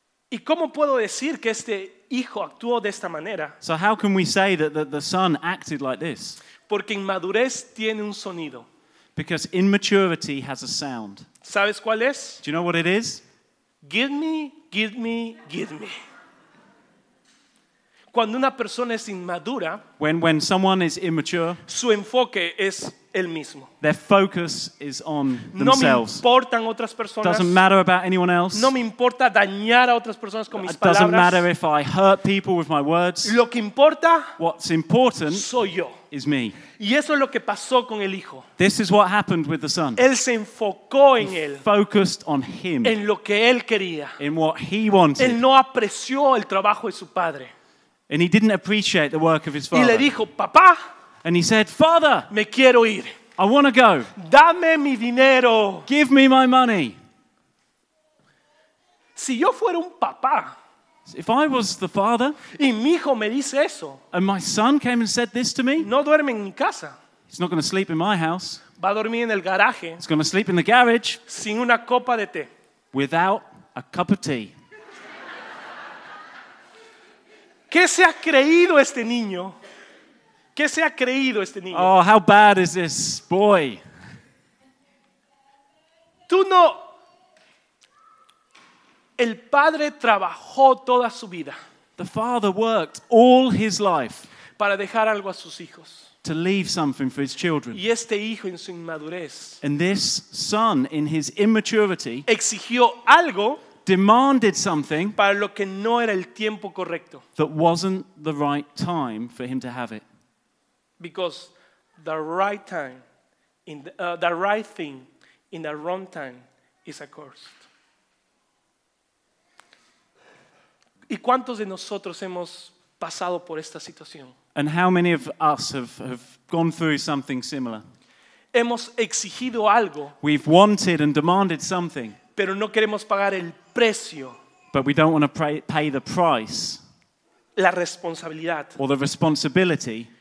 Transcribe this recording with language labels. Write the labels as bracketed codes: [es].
[es] ¿Y cómo puedo decir que este hijo actuó de esta manera? [en] So how can we say that the son acted like this? [es] Porque inmadurez tiene un sonido. [en] Because immaturity has a sound. [es] ¿Sabes cuál es? [en] Do you know what it is? Give me, give me, give me. [es] Cuando una persona es inmadura, [en] when someone is immature, [es] su enfoque es el mismo. [en] Their focus is on themselves. [es] No me importan otras personas. [en] Doesn't matter about anyone else. [es] No me importa dañar a otras personas con mis palabras. [en] Doesn't matter if I hurt people with my words. [es] Lo que importa, [en] what's important, [es] soy yo. [en] Is me. [es] Y eso es lo que pasó con el hijo. [en] This is what happened with the son. [es] Él se enfocó en él. [en] Focused on him. [es] En lo que él quería. [en] In what he wanted. [es] Él no apreció el trabajo de su padre. [en] And he didn't appreciate the work of his father. [es] Y le dijo, papá. [en] And he said, father. [es] Me quiero ir. [en] I want to go. [es] Dame mi dinero. [en] Give me my money. [es] Si yo fuera un papá. [en] If I was the father. [es] Y mi hijo me dice eso. [en] And my son came and said this to me. [es] No duerme en mi casa. [en] He's not going to sleep in my house. [es] Va a dormir en el garaje. [en] He's going to sleep in the garage. [es] Sin una copa de té. [en] Without a cup of tea. [es] ¿Qué se ha creído este niño? ¿Qué se ha creído este niño? [en] Oh, how bad is this boy? [es] Tú no. El padre trabajó toda su vida. [en] The father worked all his life. [es] Para dejar algo a sus hijos. [en] To leave something for his children. [es] Y este hijo en su inmadurez. [en] And this son in his immaturity. [es] Exigió algo. [en] Demanded something [es] para lo que no era el tiempo correcto. [en] That wasn't the right time for him to have it. Because the right time, in the right thing, in the wrong time, is accursed. [es] ¿Y cuántos de nosotros hemos pasado por esta situación? [en] And how many of us have gone through something similar? [es] Hemos exigido algo. [en] We've wanted and demanded something. [es] Pero no queremos pagar el precio. [en] But we don't want to pay the price. [es] La responsabilidad. [en] Or the responsibility.